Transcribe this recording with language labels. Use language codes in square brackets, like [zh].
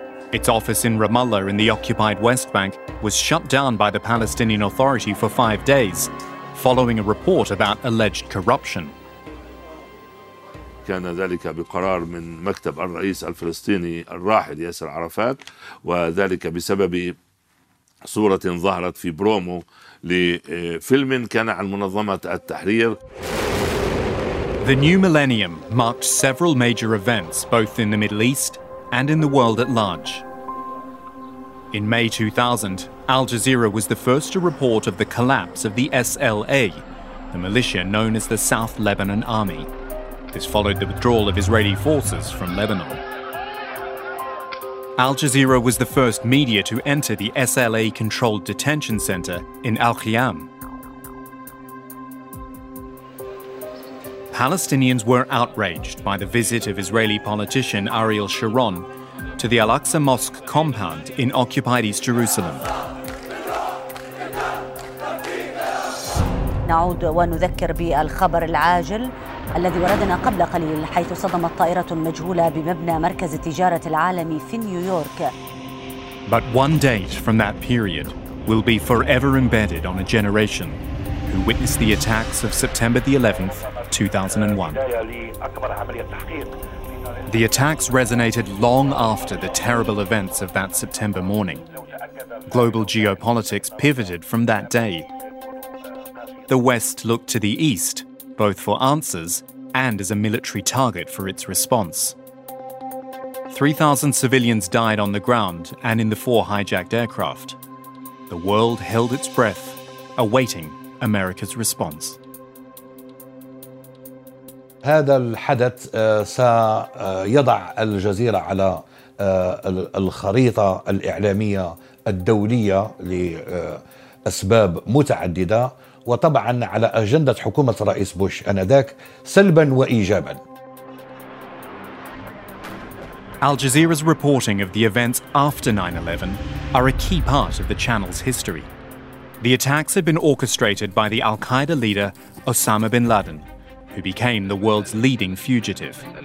[en] Its office in Ramallah in the occupied West Bank was shut down by the Palestinian Authority for 5 days, following a report about alleged corruption. [ar] كان ذلك بقرار من مكتب الرئيس الفلسطيني الراحل ياسر عرفات، وذلك بسبب صورة ظهرت في برومو لفيلم كان عن منظمة التحرير. [en] The new millennium marked several major events both in the Middle East and in the world at large. In May 2000, Al Jazeera was the first to report of the collapse of the SLA, the militia known as the South Lebanon Army. This followed the withdrawal of Israeli forces from Lebanon. Al Jazeera was the first media to enter the SLA-controlled detention center in Al Khiyam. Palestinians were outraged by the visit of Israeli politician Ariel Sharon to the Al-Aqsa Mosque compound in occupied East Jerusalem. [ar] نعود ونذكر بالخبر العاجل الذي وردنا قبل قليل، حيث صدمت طائرة مجهولة بمبنى مركز التجارة العالمي في نيويورك. [en] But one date from that period will be forever embedded on a generation who witnessed the attacks of September the 11th, 2001. The attacks resonated long after the terrible events of that September morning. Global geopolitics pivoted from that day. The West looked to the East, both for answers and as a military target for its response. 3,000 civilians died on the ground and in the four hijacked aircraft. The world held its breath, awaiting America's response. [ar] هذا الحدث سيضع الجزيرة على الخريطة الإعلامية الدولية لأسباب متعددة وطبعا على أجندة حكومة الرئيس بوش آنذاك سلبا وإيجابا. [en] Al Jazeera's reporting of the events after 9/11 are a key part of the channel's history. The attacks had been orchestrated by the Al-Qaeda leader Osama bin Laden, who became the world's leading fugitive.